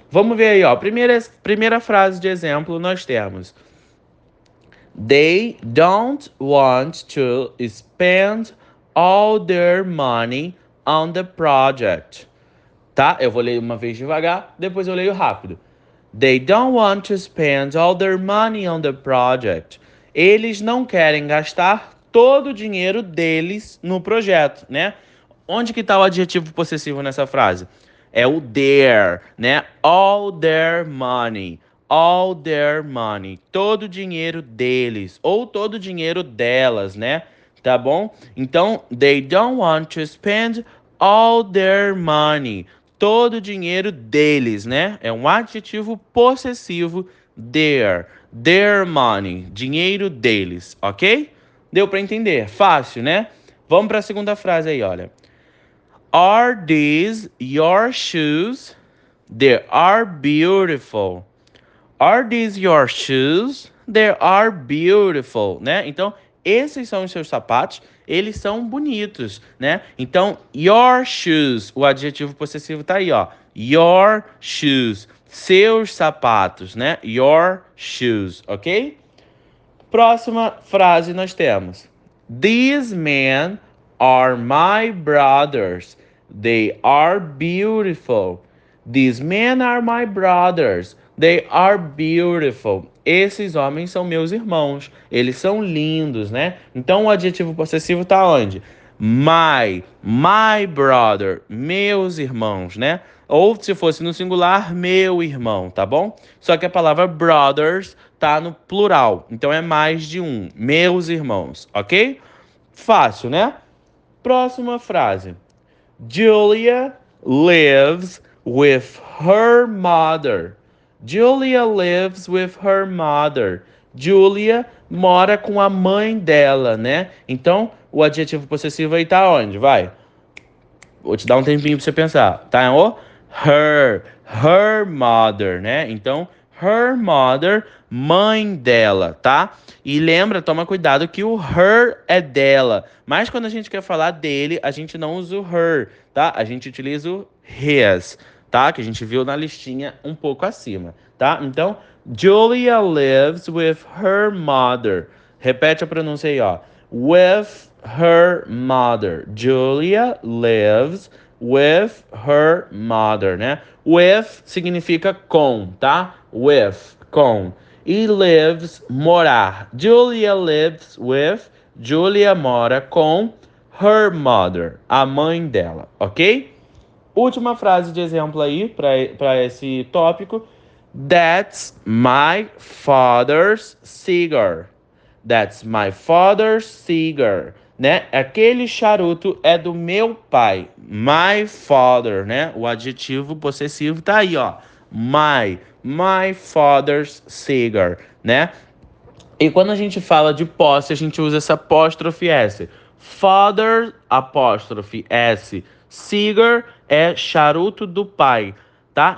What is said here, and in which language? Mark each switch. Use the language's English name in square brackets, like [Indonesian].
[Portuguese] Vamos ver aí, ó. Primeira frase de exemplo, nós temos: [English] They don't want to spend all their money on the project. [Portuguese] Tá? Eu vou ler uma vez devagar, depois eu leio rápido. [English] They don't want to spend all their money on the project. [Portuguese] Eles não querem gastar todo o dinheiro deles no projeto, né? Onde que está o adjetivo possessivo nessa frase? [English] É o their, né? All their money. All their money. [Portuguese] Todo o dinheiro deles. Ou todo o dinheiro delas, né? Tá bom? [English] Então, they don't want to spend all their money. [Portuguese] Todo o dinheiro deles, né? É um adjetivo possessivo. [English] Their money. [Portuguese] Dinheiro deles, ok? Deu para entender? Fácil, né? Vamos para a segunda frase aí, olha. [English] Are these your shoes? They are beautiful. Are these your shoes? They are beautiful, né? [Portuguese] Então, esses são os seus sapatos, eles são bonitos, né? Então, your shoes, o adjetivo possessivo tá aí, ó. [English] Your shoes, [Portuguese] seus sapatos, né? [English] Your shoes, [Portuguese] ok? Próxima frase nós temos. [English] These men are my brothers. They are beautiful. These men are my brothers. They are beautiful. [Portuguese] Esses homens são meus irmãos. Eles são lindos, né? Então o adjetivo possessivo tá onde? [English] My brother. [Portuguese] Meus irmãos, né? Ou se fosse no singular, meu irmão, tá bom? Só que a palavra brothers tá no plural. Então é mais de um. Meus irmãos, ok? Fácil, né? Próxima frase. [English] Julia lives with her mother. Julia lives with her mother. [Portuguese] Julia mora com a mãe dela, né? Então, o adjetivo possessivo aí tá onde? Vai. Vou te dar um tempinho pra você pensar. Tá em o? [English] Her mother, [Portuguese] né? Então, [English] her mother, [Portuguese] mãe dela, tá? E lembra, toma cuidado que o her é dela. Mas quando a gente quer falar dele, a gente não usa o her, tá? A gente utiliza o his, tá? Que a gente viu na listinha um pouco acima, tá? [English] Então, Julia lives with her mother. [Portuguese] Repete a pronúncia aí, ó. [English] With her mother. Julia lives with her mother, né? [Portuguese] With significa com, tá? With, com. [English] E lives, morar. Julia lives with. [Portuguese] Julia mora com [English] her mother, [Portuguese] a mãe dela, ok? Última frase de exemplo aí para esse tópico. [English] That's my father's cigar. That's my father's cigar, né? [Portuguese] Aquele charuto é do meu pai. [English] My father, [Portuguese] né? O adjetivo possessivo tá aí, ó. [English] My father's cigar, [Portuguese] né? E quando a gente fala de posse, a gente usa essa apóstrofe S. Father, apóstrofe S. Cigar é charuto do pai, tá?